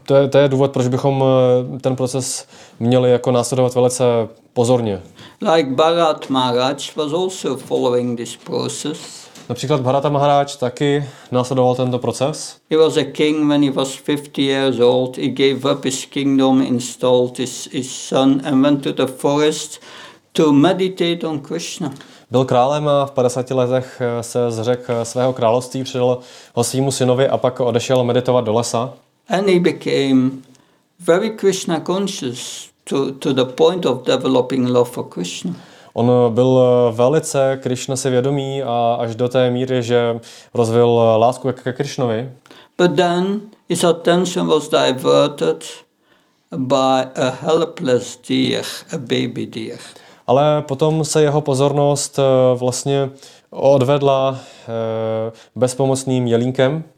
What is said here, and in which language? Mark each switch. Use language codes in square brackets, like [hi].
[cs] To je důvod, proč bychom ten proces měli jako následovat velice pozorně. [en] Like Bharat Maharaj was also following this process. [cs] Například Bharata Maharaj taky následoval tento proces. [en] He was a king when he was 50 years old. He gave up his kingdom, installed his son and went to the forest to meditate on Krishna. [cs] Byl králem a v 50 letech se zřekl svého království, předal ho svému synovi a pak odešel meditovat do lesa. [en] And he became very Krishna conscious to the point of developing love for Krishna. [cs] On byl velice Krishna si vědomý a až do té míry, že rozvil lásku ke Krishnovi. [en] But then his attention was diverted by a helpless deer, a baby deer. [cs] Ale potom se jeho pozornost vlastně odvedla bezpomocným jelínkem.